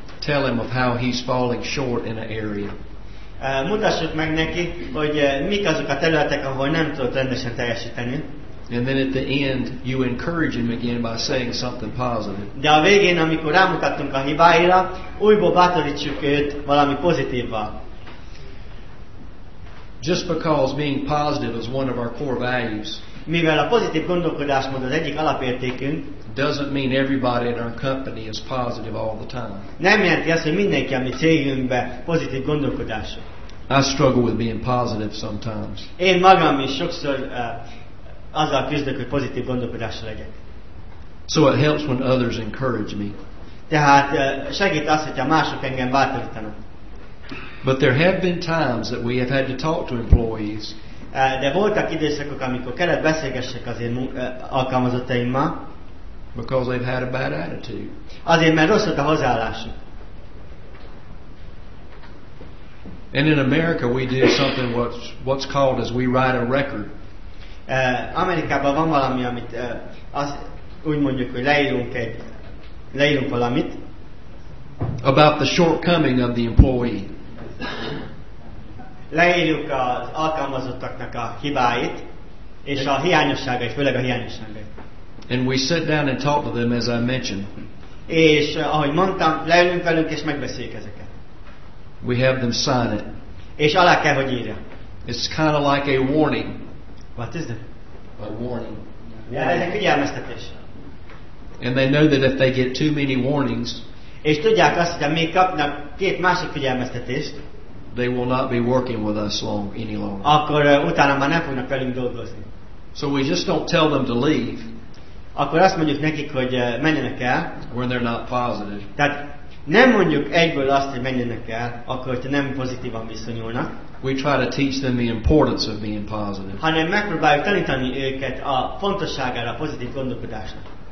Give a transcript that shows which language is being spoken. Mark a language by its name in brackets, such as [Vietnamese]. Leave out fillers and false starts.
[English] Tell him of how he's falling short in an area. [Hungarian] Mutassuk meg neki, hogy mik azok a területek, ahol nem tud rendesen teljesíteni. [English] And then at the end, you encourage him again by saying something positive. [Hungarian] De a végén, amikor rámutattunk a hibáira, újból bátorítsuk őt valami pozitívval. [English] Just because being positive is one of our core values. [Hungarian] Mivel a pozitív gondolkodásmód az egyik alapértékünk. [English] Doesn't mean everybody in our company is positive all the time. [Hungarian] Nem jelenti azt, hogy mindenki a mi cégünkben pozitív gondolkodású. [English] I struggle with being positive sometimes. [Hungarian] Én magam is sokszor azzal küzdök, hogy pozitív gondolkodásra legyek. [English] So it helps when others encourage me. [Hungarian] Tehát segít az, hogyha mások engem bátorítanak. [English] But there have been times that we have had to talk to employees. [Hungarian] De voltak időszakok, amikor kellett beszélgessek az én alkalmazottaimmal. [English] Because they've had a bad attitude. [Hungarian] Azért, mert rossz volt a hozzáállásuk. [English] And in America we do something what's called as we write a record. [Hungarian] Amerikában van valami, amit úgy mondjuk, hogy leírunk valamit. [English] About the shortcoming of the employee. [Hungarian] Leírjuk az alkalmazottaknak a hibáit és a hiányosságait, főleg a hiányosságait. [English] And we sit down and talk to them, as I mentioned. [Hungarian] És ahogy mondtam, leülünk velünk és megbeszéljük ezeket. [English] We have them sign it. [Hungarian] És alá kell, hogy írja. [English] It's kind of like a warning. What is that? A warning. [Hungarian] Yeah, ez egy figyelmeztetés. [English] And they know that if they get too many warnings, [Hungarian] és tudják azt, hogy még kapnak két másik figyelmeztetést, [English] they will not be working with us long, any longer. [Hungarian] Akkor utána már nem fognak velünk dolgozni. [English] So we just don't tell them to leave. [Hungarian] Akkor azt mondjuk nekik, hogy menjenek el. [English] When they're not positive. [Hungarian] Tehát nem mondjuk egyből azt, hogy menjenek el, akkor, hogyha nem pozitívan viszonyulnak. [English] We try to teach them the importance of being positive. [Hungarian] Hanem megpróbáljuk tanítani őket a fontosságára, a pozitív gondolkodásnak.